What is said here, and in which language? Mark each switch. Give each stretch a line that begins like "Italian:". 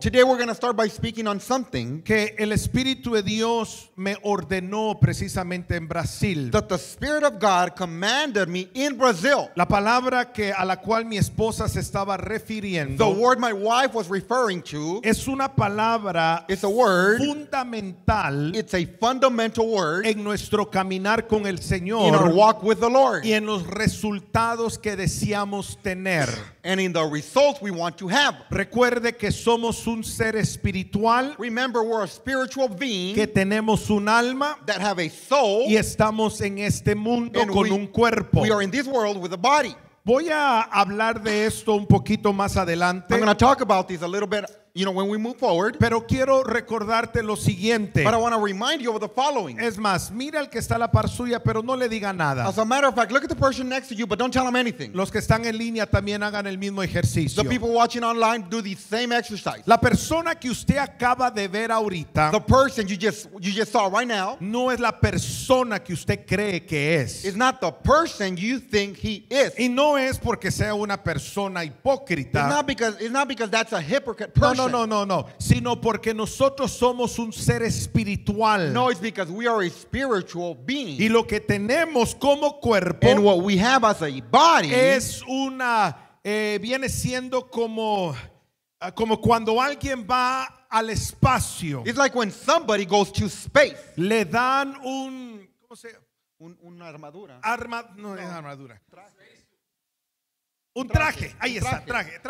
English: Today we're going to start by speaking on something
Spanish: que el Espíritu de Dios me ordenó precisamente en Brasil.
English: That the Spirit of God commanded me in Brazil.
Spanish: La palabra que a la cual mi esposa se estaba refiriendo.
English: The word my wife was referring to.
Spanish: Es una palabra.
English: It's a word.
Spanish: Fundamental.
English: It's a fundamental word.
Spanish: En nuestro caminar con el Señor.
English: In our walk with the Lord.
Spanish: Y en los resultados que deseamos tener.
English: And in the results we want to have.
Spanish: Recuerde que somos un ser espiritual.
English: Remember, we're a spiritual being.
Spanish: Que tenemos un alma.
English: That have a soul.
Spanish: Y estamos en este mundo con un cuerpo.
English: We are in this world with a body.
Spanish: Voy a hablar de esto un poquito más adelante.
English: I'm going to talk about this a little bit, you know, when we move forward.
Spanish: Pero quiero recordarte lo siguiente.
English: But I want to remind you of the following.
Spanish: Es más, mira al que está a la par suya, pero no le diga nada.
English: As a matter of fact, look at the person next to you, but don't tell them anything.
Spanish: Los que están en línea también hagan el mismo ejercicio.
English: The people watching online, do the same exercise.
Spanish: La persona que usted acaba de ver ahorita.
English: The person you just saw right now.
Spanish: No es la persona que usted cree que es.
English: It's not the person you think he is.
Spanish: Y no es porque sea una persona hipócrita.
English: It's not because that's a hypocrite person.
Spanish: No, sino porque nosotros somos un ser espiritual.
English: No, it's because we are a spiritual being.
Spanish: Y lo que tenemos como cuerpo,
English: and what we have as a body,
Spanish: es una, viene siendo como cuando alguien va al espacio.
English: It's like when somebody goes to space.
Spanish: Le dan un, ¿cómo se llama? Una armadura. No es armadura. Un traje. Ahí está, traje.